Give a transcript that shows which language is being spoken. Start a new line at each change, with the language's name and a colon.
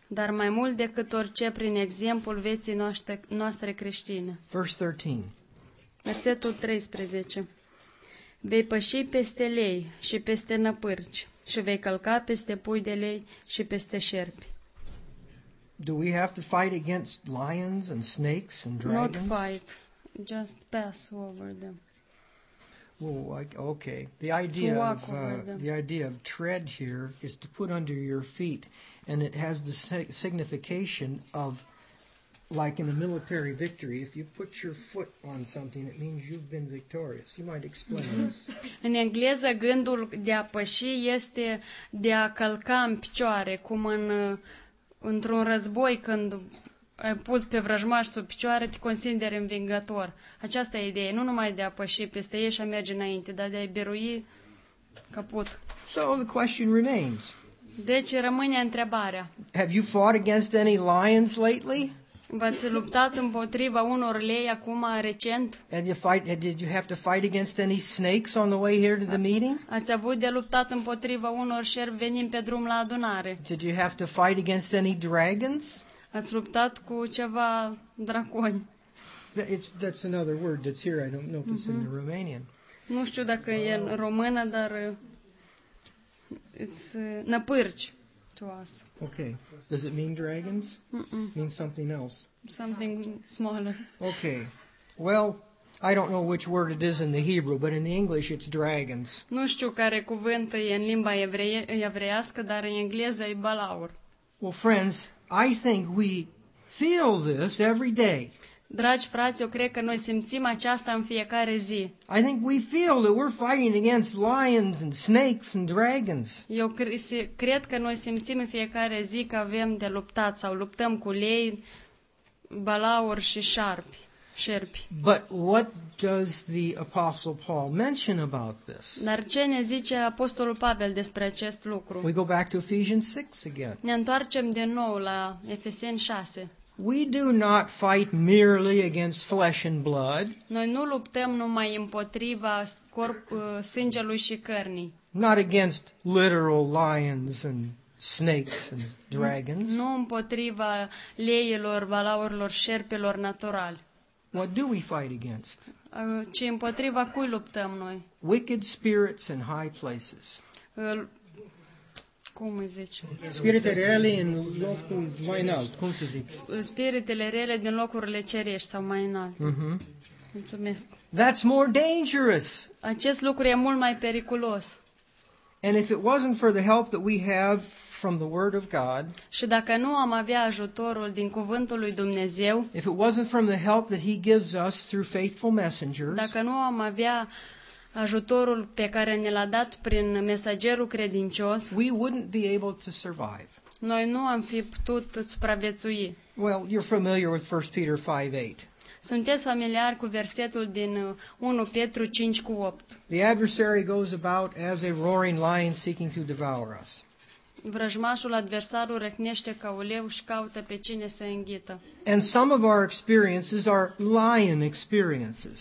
Romanian: Dar mai mult decât orice prin exemplul vieții noastre creștine.
English: Verse 13.
Romanian: Versetul 13. Vei păși peste lei și peste năpârci și vei călca peste pui de lei și peste șerpi.
English: Do we have to fight against lions and snakes and dragons? Not fight, just pass over them. Okay. The idea of tread here is to put under your feet, and it has the signification of, like in a military victory, if you put your foot on something, it means you've been victorious. You might explain this.
Romanian: În engleză, gândul de a păși este de a călca în picioare, cum într-un război, când ai pus pe vrăjmaș sub picioare, te consideri învingător. Aceasta e ideea, nu numai de a păși peste ei și a merge înainte, dar de a-i birui caput.
English: So the question remains.
Romanian: Deci rămâne întrebarea.
English: Have you fought against any lions lately?
Romanian: V-ați luptat împotriva unor lei acum recent?
English: Did you have to fight against any snakes on the way here to the meeting?
Romanian: Ați avut de luptat împotriva unor șerpi venind pe drum la adunare?
English: Did you have to fight against any dragons?
Romanian: Ați luptat cu ceva draconi?
English: That's another word that's here. I don't know if it's in Romanian.
Romanian: Nu știu dacă e în română, dar it's năpârci.
English: To us. Okay. Does it mean dragons? Mm-mm. Means something else. Something smaller. Okay. Well, I don't know which word it is in the Hebrew, but in the English it's dragons.
Romanian: Nu știu care cuvânt e în limba evreiască, dar în engleză e balaur.
English: Well, friends, I think we feel this every day.
Romanian: Dragi frați, eu cred că noi simțim aceasta în fiecare zi.
English: I think we feel that we're fighting against lions and snakes and dragons.
Romanian: Eu cred că noi simțim în fiecare zi că avem de luptat sau luptăm cu lei, balauri și șerpi.
English: But what does the Apostle Paul mention about this?
Romanian: Dar ce ne zice Apostolul Pavel despre acest lucru?
English: We go back to Ephesians 6 again.
Romanian: Ne întoarcem din nou la Efeseni 6.
English: We do not fight merely against flesh and blood.
Romanian: Noi nu luptăm numai împotriva sângelui și cărnii.
English: Not against literal lions and snakes and dragons.
Romanian: Nu împotriva leilor, balaurilor, șerpilor naturali.
English: What do we fight against?
Romanian: Ci împotriva cui luptăm noi?
English: Wicked spirits in high places.
Romanian: Cum îi zice? Spiritele rele în locuri mai înalt. Cum se zice? Spiritele rele din locurile cerești sau mai înalt. Mm-hmm. Mulțumesc.
English: That's more dangerous.
Romanian: Acest lucru e mult mai periculos.
English: And if it wasn't for the help that we have from the word of God,
Romanian: și dacă nu am avea ajutorul din cuvântul lui Dumnezeu,
English: if it wasn't from the help that he gives us through faithful messengers,
Romanian: dacă nu am avea ajutorul pe care ne l-a dat prin mesagerul credincios,
English: we wouldn't be able to survive.
Romanian: Noi nu am fi putut supraviețui.
English: Well, you're familiar with 1 Peter 5:8.
Romanian: Sunteți familiar cu versetul din 1 Petru 5:8.
English: The adversary goes about as a roaring lion seeking to devour us.
Romanian: Vrăjmașul, adversarul, răcnește ca un leu și caută pe cine să înghită.
English: And some of our experiences are lion experiences.